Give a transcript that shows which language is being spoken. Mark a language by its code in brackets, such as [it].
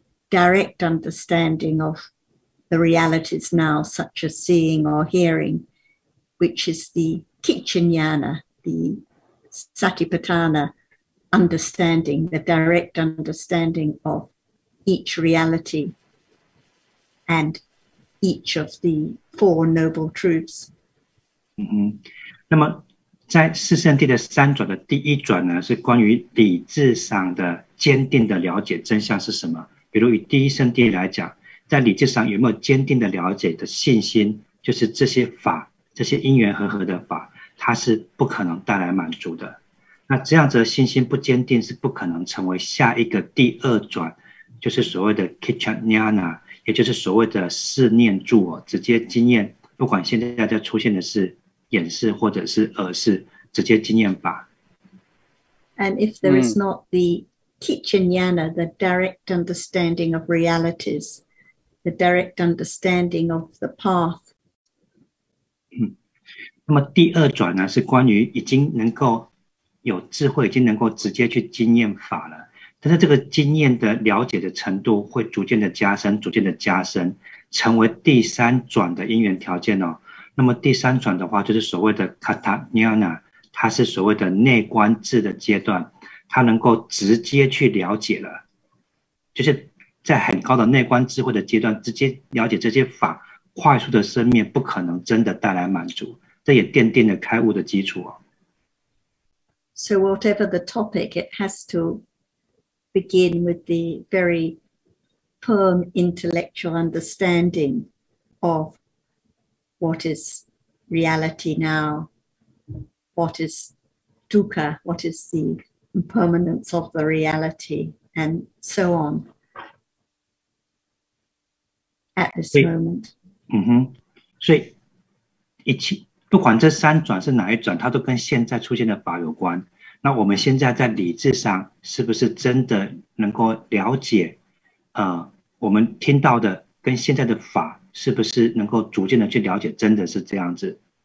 [en] direct understanding of the realities now, such as seeing or hearing, which is the Kichinyana, theSatipatthana understanding, the direct understanding of each reality and each of the Four Noble Truths. [zh] 那么在四圣谛的三转的第一转呢，是关于理智上的坚定的了解真相是什么。比如以第一圣谛来讲，在理智上有没有坚定的了解的信心，就是这些法，这些因缘和合的法，它是不可能带来满足的。那这样子的信心不坚定是不可能成为下一个第二转，就是所谓的 Kichinyana， 也就是所谓的四念住、直接经验，不管现在在出现的是眼识或者是耳识，直接经验法。 [en] And if there is not the Kichinyana, the direct understanding of realities, the direct understanding of the path. [zh] 那么第二转呢，是关于已经能够有智慧，已经能够直接去经验法了，但是这个经验的了解的程度会逐渐的加深，逐渐的加深，成为第三转的因缘条件哦。那么第三转的话，就是所谓的 Katanyana， 它是所谓的内观智的阶段，它能够直接去了解了，就是在很高的内观智慧的阶段，直接了解这些法，快速的生灭，不可能真的带来满足，这也奠定了开悟的基础哦。 [en] So whatever the topic, it has to begin with the very firm intellectual understanding of what is reality now, what is dukkha, what is the impermanence of the reality, and so on at this moment. [zh] 嗯哼，所以一切不管这三转是哪一转，它都跟现在出现的法有关。那我们现在在理智上是不是真的能够了解我们听到的跟现在的法是不是能够逐渐的去了解真的是这样子。